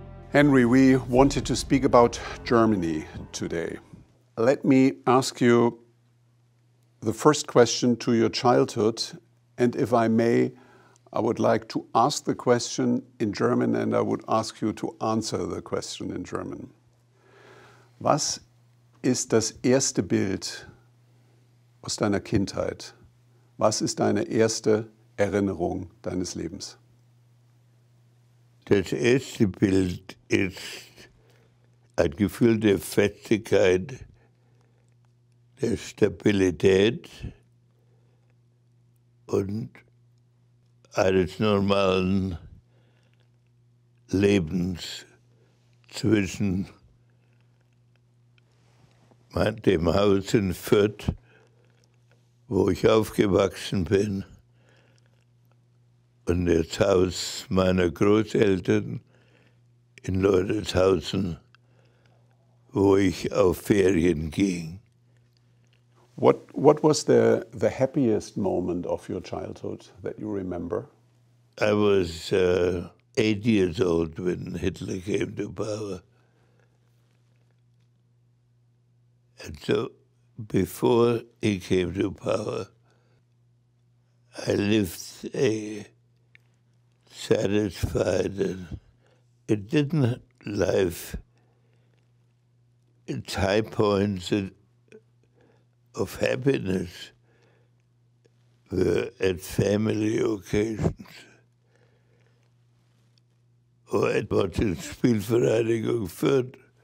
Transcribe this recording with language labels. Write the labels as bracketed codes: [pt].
[en] Henry, we wanted to speak about Germany today. Let me ask you the first question to your childhood, and if I may, I would like to ask the question in German, and I would ask you to answer the question in German. [de] Was ist das erste Bild aus deiner Kindheit? Was ist deine erste Erinnerung deines Lebens? Das erste Bild ist ein Gefühl der Festigkeit, der Stabilität und eines normalen Lebens zwischen dem Haus in Fürth, wo ich aufgewachsen bin, und das Haus meiner Großeltern in Leutershausen, wo ich auf Ferien ging. [en] What was the happiest moment of your childhood that you remember? I was 8 years old when Hitler came to power. And so before he came to power, I lived a satisfied and it didn't life its high points of happiness were at family occasions or at watching Spielvereinigung Fürth.